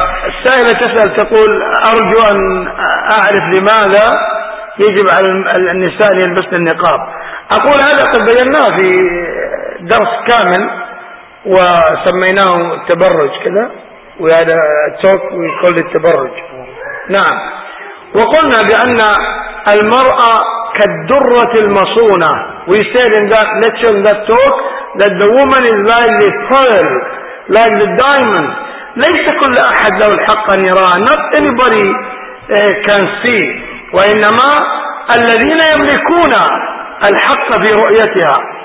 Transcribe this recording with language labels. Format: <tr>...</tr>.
<ar>السائلة تسأل تقول أرجو أن أعرف لماذا يجب على النساء يلبسن النقاب. أقول هذا قد بيناه في درس كامل وسميناه التبرج كذا.</ar> <en>We had a talk, we called it التبرج.</en> <ar>نعم. وقلنا بأن المرأة كالدرة المصونة.</ar> <en>We said in that lecture, in that talk, that the woman is like the pearl, like the diamond.</en> <ar>ليس كل أحد له الحق أن يرى.</ar> <en>Not anybody can see.</en> <ar>وإنما الذين يملكون الحق في رؤيتها.</ar>